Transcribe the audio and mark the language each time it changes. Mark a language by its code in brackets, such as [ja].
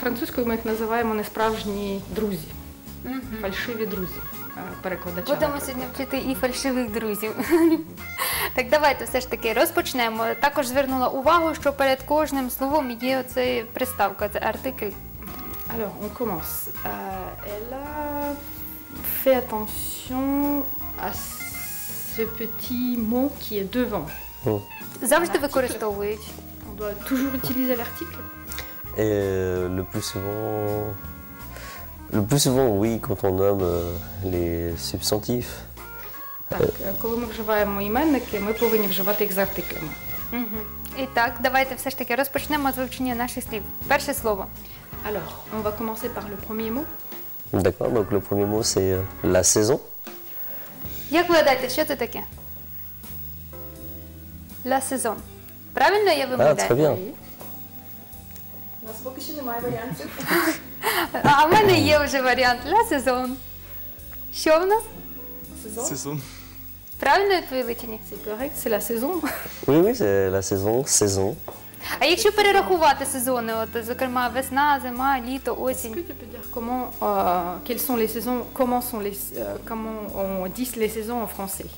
[uk] Французькою ми їх називаємо несправжні друзі. Mm-hmm. Фальшиві друзі. Перекладача. Будемо сьогодні вчити і фальшивих друзів. Так, давайте все ж таки розпочнемо. Також звернула увагу, що перед кожним словом є оця приставка, це артикль. [fr] Alors, on commence. Elle a fait attention à ce petit mot qui est devant. [uk] Завжди використовують. [fr] On doit toujours utiliser l'article. Et le plus souvent... Le plus souvent, oui, quand on nomme les substantifs. [uk] Так, коли ми вживаємо іменники, ми повинні вживати їх з артиклями. І так, давайте все ж таки розпочнемо з вивчення наших слів. Перше слово. [fr] Alors, on va commencer par le premier mot. D'accord, donc le premier mot, c'est la saison. [uk] Як ви гадаєте, що це таке? La saison. Правильно я вимовляю? [fr] Ah, très bien. [uk] У нас поки що немає варіантів. А в мене є вже варіант. La saison. Що в нас? Сезон. Правильно відповіли чи ні? [fr] C'est correct, c'est la saison. Oui, oui, c'est la saison, saison. [uk] А якщо перерахувати сезони, от, зокрема, весна, зима, літо, осінь? [fr] Est-ce que tu peux dire comment, quelles sont les saisons, comment, sont les, comment on dit les saisons en français?